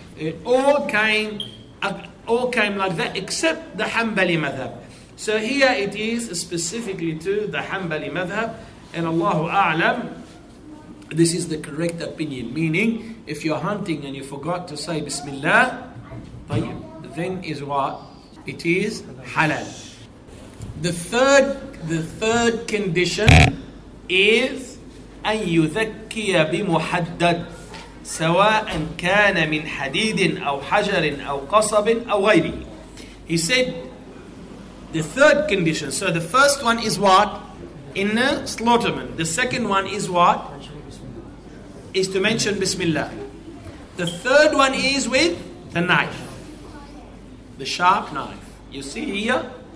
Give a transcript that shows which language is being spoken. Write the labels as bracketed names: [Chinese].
[English] It all came like that except the Hanbali madhab. So here it is specifically to the Hanbali madhab, and Allahu A'lam, this is the correct opinion. Meaning, if you're hunting and you forgot to say Bismillah, then is what? It is halal. The third condition is [Arabic] أن يذكي بمحدد سواء كان من حديد أو حجر أو قصب أو غيره. [English] He said, the third condition. So the first one is what? In the slaughterman. The second one is what? Is to mention Bismillah. The third one is with the knife. The sharp knife. You see here?